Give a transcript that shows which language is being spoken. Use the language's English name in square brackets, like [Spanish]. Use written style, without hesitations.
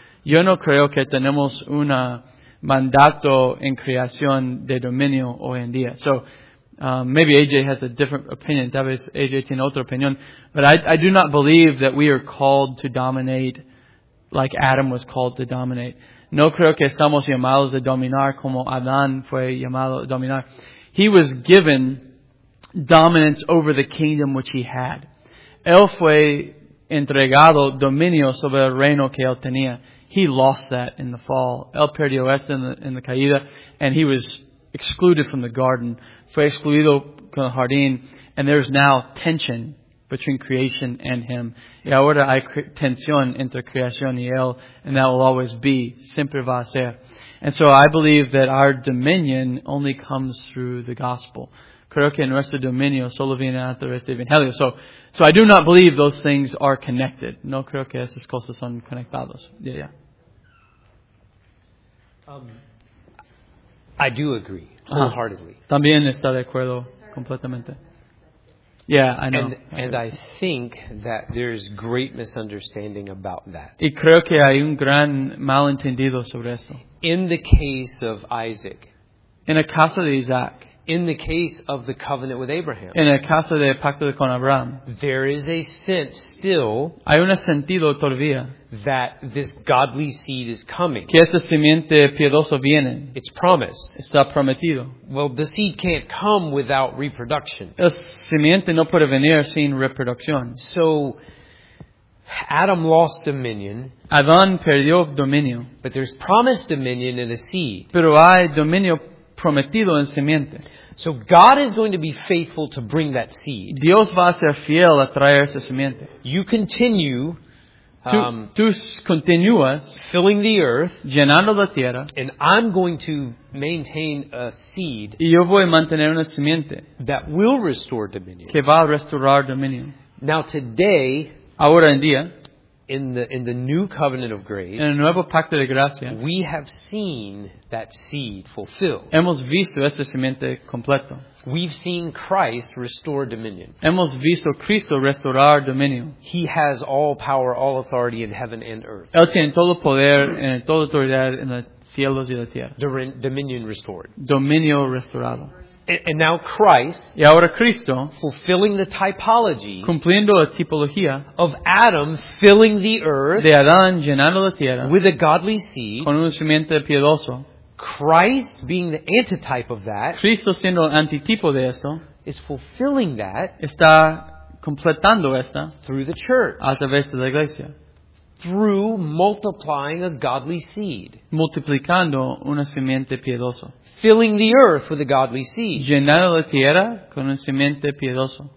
[Spanish] Yo no creo que tenemos un mandato en creación de dominio hoy en día. [English] So, maybe AJ has a different opinion. [Spanish] Tal vez AJ tiene otra opinión. [English] But I do not believe that we are called to dominate like Adam was called to dominate. [Spanish] No creo que estamos llamados a dominar como Adán fue llamado a dominar. [English] He was given dominance over the kingdom which he had. [Spanish] Él fue entregado dominio sobre el reino que él tenía. [English] He lost that in the fall. [Spanish] Él perdió esto en la caída, [English] and he was excluded from the garden. [Spanish] Fue excluido con el jardín, [English] and there's now tension between creation and him. [Spanish] Y ahora hay tensión entre creación y él, [English] and that will always be, [Spanish] siempre va a ser. [English] And so I believe that our dominion only comes through the gospel. [Spanish] Creo que nuestro dominio solo viene a través del evangelio. [English] So I do not believe those things are connected. [Spanish] No creo que esas cosas son conectadas. Yeah. [English] I do agree, wholeheartedly. [Spanish] También está de acuerdo completamente. [English] Yeah, I know. And I think that there's great misunderstanding about that. [Spanish] Y creo que hay un gran malentendido sobre esto. [English] In the case of Isaac. [Spanish] En el caso de Isaac. [English] In the case of the covenant with Abraham. [Spanish] En el caso del pacto con Abraham. [English] There is a sense still. [Spanish] Hay un sentido todavía. [English] That this godly seed is coming. [Spanish] Que este simiente piadoso viene. [English] It's promised. [Spanish] Está prometido. [English] Well, the seed can't come without reproduction. [Spanish] El simiente no puede venir sin reproducción. [English] So, Adam lost dominion. [Spanish] Adán perdió dominio. [English] But there's promised dominion in the seed. [Spanish] Pero hay dominio prometido en simiente. [English] So God is going to be faithful to bring that seed. [Spanish] Dios va a ser fiel a traer esa simiente. [English] You continue. [Spanish] Tú continúas [English] filling the earth, [Spanish] llenando la tierra, [English] and I'm going to maintain a seed, [Spanish] y yo voy a mantener una simiente, [English] that will restore dominion, [Spanish] que va a restaurar dominio. [English] Now today, [Spanish] ahora en día, [English] in the new covenant of grace, [Spanish] en el nuevo pacto de gracia, [English] we have seen that seed fulfilled. [Spanish] Hemos visto esa simiente completo. [English] We've seen Christ restore dominion. [Spanish] Hemos visto Cristo restaurar dominio. [English] He has all power, all authority in heaven and earth. [Spanish] Él tiene todo poder y toda autoridad en los cielos y la tierra. [English] Dominion restored. [Spanish] Dominio restaurado. [English] And now Christ, [Spanish] y ahora Cristo, [English] fulfilling the typology, [Spanish] cumpliendo la tipología, [English] of Adam filling the earth, [Spanish] de Adán llenando la tierra, [English] with a godly seed, [Spanish] con un simiente piadoso. [English] Christ being the antitype of that, [Spanish] Cristo siendo el antitipo de esto, [English] is fulfilling that, [Spanish] está completando esta, [English] through the church, [Spanish] a través de la iglesia, [English] through multiplying a godly seed, [Spanish] multiplicando una simiente piadoso, [English] filling the earth with a godly seed, [Spanish] llenando la tierra con un simiente piadoso.